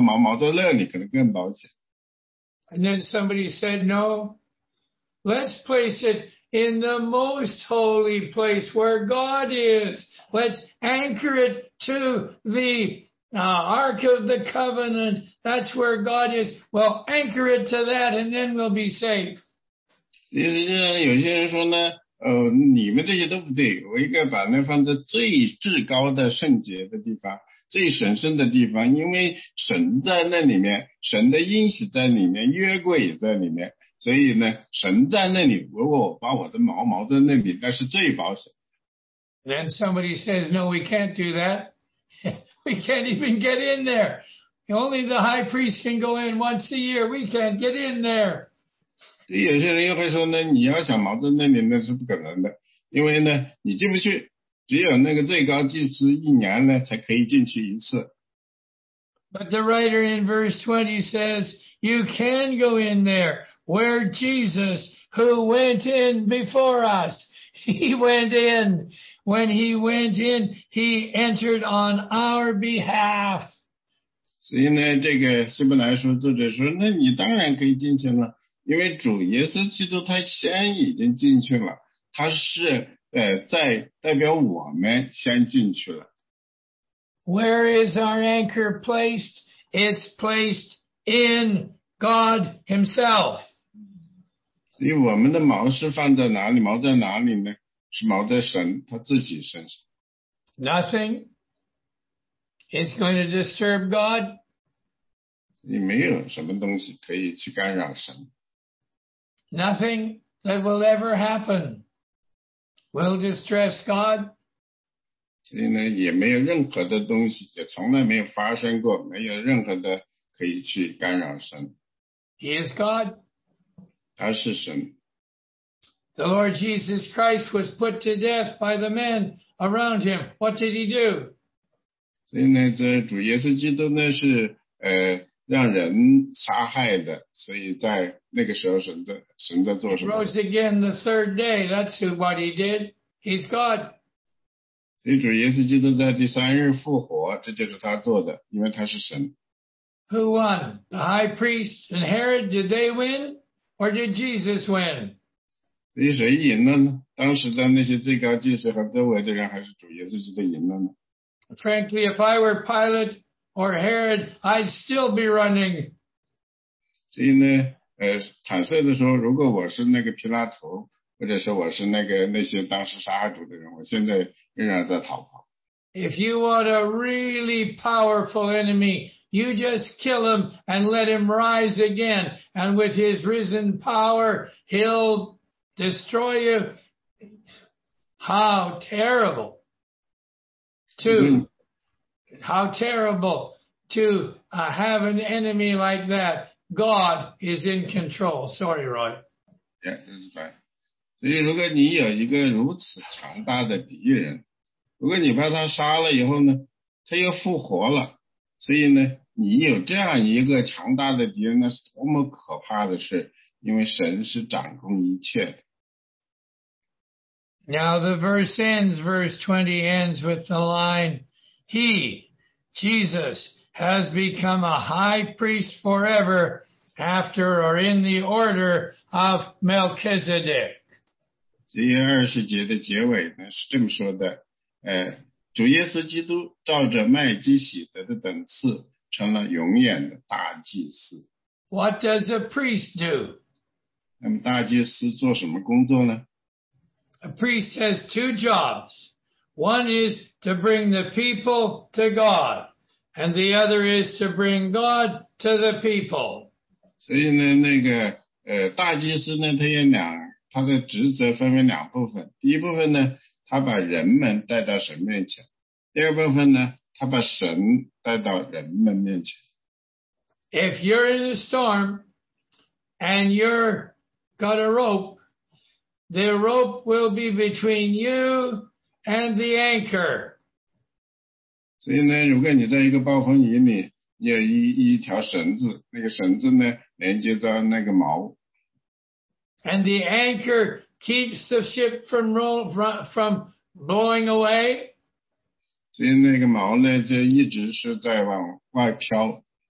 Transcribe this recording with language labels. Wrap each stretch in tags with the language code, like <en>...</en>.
<zh>现在你又会去想了，你说更保险的地方呢，实际上在那个神圣的地方，因为只有祭司进到里面去。如果我把毛在那里，可能更保险。</zh> <en>And then somebody said, no. Let's place it in the most holy place where God is. Let's anchor it to the Ark of the Covenant. That's where God is. Well, anchor it to that and then we'll be safe.</en> <zh>有些人说呢，你们这些都不对，我应该把那放在最至高的圣洁的地方，最神圣的地方，因为神在那里面，神的应许在里面，约柜也在里面。所以呢，神在那里，如果我把我的毛在那里，那是最保险。</zh> <en>Then somebody says, no, we can't do that. We can't even get in there. Only the high priest can go in once a year. We can't get in there.</en> <zh>有些人又会说呢，你要想毛在那里，那是不可能的，因为呢，你进不去。只有那个最高祭司一年呢才可以进去一次。</zh> <en>But the writer in verse 20 says, you can go in there where Jesus, who went in before us, he went in. When he went in, he entered on our behalf.</en> <zh>所以呢，这个希伯来书作者说，那你当然可以进去了，因为主耶稣基督他先已经进去了，他是在代表我们先进去了。</zh> <en>Where is our anchor placed? It's placed in God himself.</en> <zh>所以我们的锚是放在哪里？锚在哪里呢？是锚在神，他自己身上。</zh> <en>Nothing is going to disturb God.</en> <zh>你没有什么东西可以去干扰神。</zh> <en>Nothing that will ever happen will distress God.</en> <zh>所以呢，也没有任何的东西，也从来没有发生过，没有任何的可以去干扰神。</zh> <en>He is God.</en> <zh>他是神。</zh> <en>The Lord Jesus Christ was put to death by the men around him. What did he do?</en> <zh>所以呢，这主耶稣基督呢是让人杀害的，所以在那个时候神在做什么</zh> <en>？He rose again the third day. That's what he did. He's God.</en> <zh>所以主耶稣基督在第三日复活，这就是他做的，因为他是神。</zh> <en>Who won? The high priest and Herod, did they win? Or did Jesus win?</en> <zh>所以谁赢了呢？当时的那些最高祭司和周围的人，还是主耶稣基督赢了呢？</zh> <en>Frankly, if I were Pilate or Herod, I'd still be running.</en> <zh>所以呢，坦率地说，如果我是那个皮拉图，或者是我是那些当时杀害主的人，我现在仍然在逃跑。</zh> <en>If you want a really powerful enemy, you just kill him and let him rise again. And with his risen power, he'll destroy you. How terrible to, how terrible to have an enemy like that. God is in control. Sorry, Roy. Yeah, this is right.</en> <zh>所以如果你有一个如此强大的敌人，如果你把他杀了以后呢，他又复活了，所以呢，你有这样一个强大的敌人，那是多么可怕的事，因为神是掌控一切的。</zh> <en>Now the verse ends, verse 20 ends with the line, He, Jesus, has become a high priest forever after or in the order of Melchizedek.</en> <zh>所以二十节的结尾呢是这么说的，主耶稣基督照着麦基洗德的等次成了永远的大祭司。</zh> <en>What does a priest do?</en> <zh>那么大祭司做什么工作呢？</zh> <en>A priest has two jobs. One is to bring the people to God, and the other is to bring God to the people.</en> <zh>所以呢，那个大祭司呢，他有两。他的职责分为两部分，第一部分呢，他把人们带到神面前；第二部分呢，他把神带到人们面前。</zh> <en>If you're in a storm and you're got a rope, the rope will be between you and the anchor.</en> <zh>所以呢，如果你在一个暴风雨里，你有一条绳子，那个绳子呢，连接到那个锚。</zh> <en>And the anchor keeps the ship from blowing away.</en> <zh>所以那个锚呢，就一直是在往外飘。</zh>